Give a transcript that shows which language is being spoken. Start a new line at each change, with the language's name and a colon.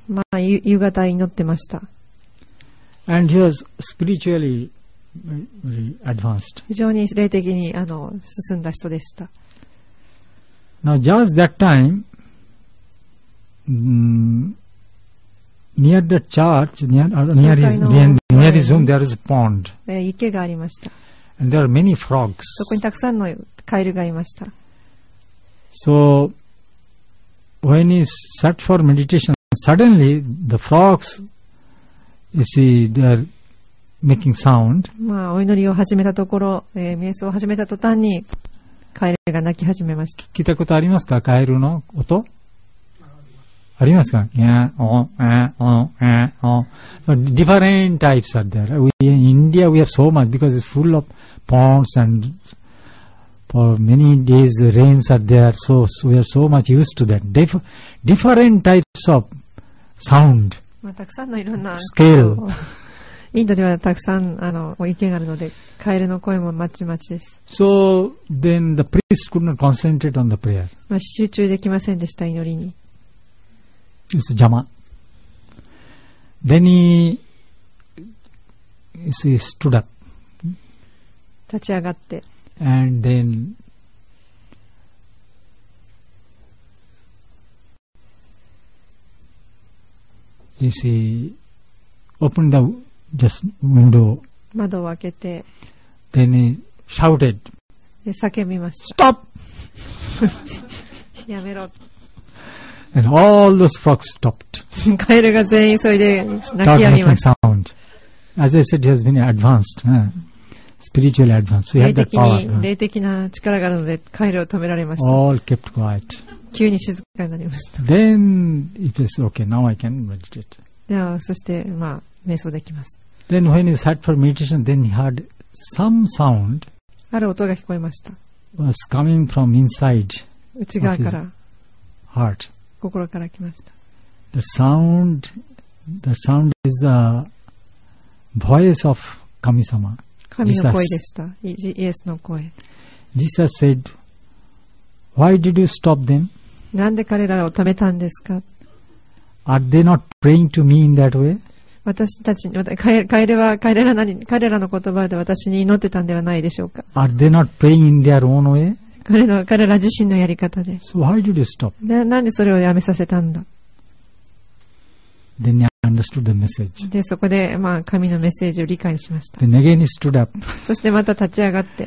Japanese: まあ、夕方祈ってました。
English: And he was spiritually very advanced.
Japanese: 非常に霊的に進んだ人でした。
English: Now, just that time, near the church, near his home, there is a pond.
Japanese: 池がありました。
English: And there are many frogs.
Japanese: そこにたくさんのカエルがいました。
English: So, when he sat for meditation, suddenly the frogs... You see, they are making sound.
Japanese: まあ、お祈りを始めたところ、瞑想を始めた途端にカエルが鳴き始めました。聞いたことありますか、カエルの音？ありますか？いや、お、え、お、え、お。
English: So different types are there. We in India we have so much because it's full of ponds and for many days the rains are there. So, so we are so much used to that. Different types of sound.
Japanese: まあ、たくさんのいろんなスケールインドではたくさんお池があるのでカエルの声もまちまちです。
English: So then the priest could not concentrate on the prayer.
Japanese: まあ、集中できませんでした祈りに。
English: It's a 邪魔。Then he stood up.
Japanese: 立ち上がって。
English: And then You see, open the just window.
Japanese: 窓を開けて。
English: Then he shouted.
Japanese: で叫びました。
English: Stop!
Japanese: やめろ。
English: And all those frogs stopped.
Japanese: カエルが全員それで泣きやみました。
English: Making sound. As I said, he has been advanced, spiritually advanced. So he had that power.
Japanese: 霊的な力があるのでカエルを止められました。
English: All kept quiet.
Japanese: 急に静かになりました。
English: Then it is okay. Now I can meditate.
Japanese: ではそしてまあ瞑想できます。
English: Then when he sat for meditation, then he heard some sound.
Japanese: ある音が聞こえました。
English: Was coming from inside.
Japanese: 内側から。
English: Heart.
Japanese: 心から来ました。
English: The sound is the voice of 神様。
Japanese: 神の声でした。イエスの声。
English: Jesus said. Why did you stop them?
Japanese: なんで彼らを止めたんですか?
English: Are they not praying to me in that way?
Japanese: 私たちに、帰れは帰れらなに、彼らの言葉で私に祈ってたんではないでしょうか?
English: Are they not praying in their own way?
Japanese: 彼ら自身のやり方で。
English: So why did you stop?
Japanese: なんでそれをやめさせたんだ?
English: Then I understood the message.
Japanese: で、そこで、まあ、神のメッセージを理解しました。
English: Then again he stood up.
Japanese: そしてまた立ち上がって。